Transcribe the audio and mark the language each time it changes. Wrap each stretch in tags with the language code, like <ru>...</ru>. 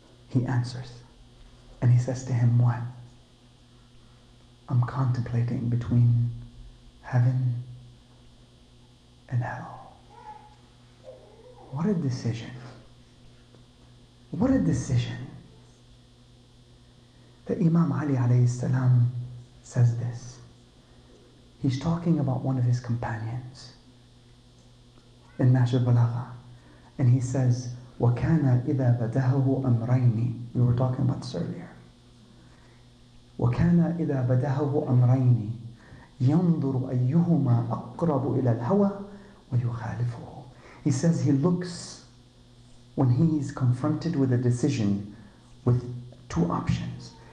<en>He answers. And he says to him, what? I'm contemplating between heaven and hell. What a decision. What a decision. The Imam Ali alayhi salam says this. He's talking about one of his companions in Nashr Balagha. And he says,</en> <ar>وَكَانَ إِذَا بَدَهَهُ أَمْرَيْنِ.</ar> <en>We were talking about this earlier.</en> <ar>وَكَانَ إِذَا بَدَهَهُ أَمْرَيْنِ. يَنْظُرُ أَيُّهُمَا أَقْرَبُ إِلَى الْهَوَى وَيُخَالِفُهُ.</ar> <en>He says he looks when he is confronted with a decision with two options.</en>